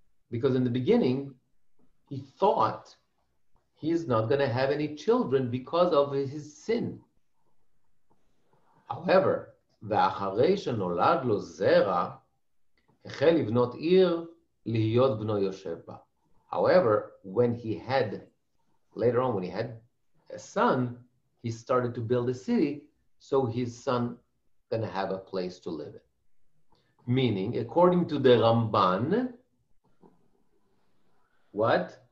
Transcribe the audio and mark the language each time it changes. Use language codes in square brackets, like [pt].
[en] Because in the beginning, he thought he is not going to have any children because of his sin. [he] However, ואחרי שנולד לו זרע, החל לבנות עיר להיות בנו יושב בה. [en] However, when he had, later on, when he had a son, he started to build a city, so his son going to have a place to live in. Meaning, according to the Ramban, what?